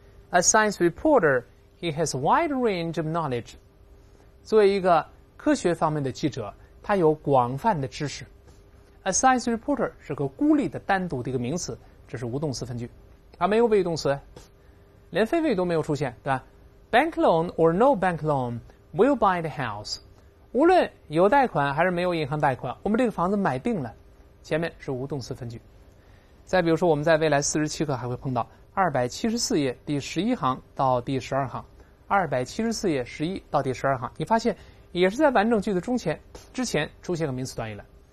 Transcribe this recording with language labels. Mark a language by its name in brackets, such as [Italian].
[English] A science reporter, he has a wide range of knowledge. [Chinese] 作为一个科学方面的记者，他有广泛的知识。 [English] A science reporter [Chinese] 是个孤立的单独的一个名词，这是无动词分句。啊，没有谓语动词，连非谓语都没有出现，对吧？ [English] Bank loan or no bank loan will buy the house. [Chinese] 无论有贷款还是没有银行贷款，我们这个房子买定了。前面是无动词分句。再比如说，我们在未来47课还会碰到274页第11行到第12行274页11到第12行，你发现也是在完整句子中前之前出现个名词短语了。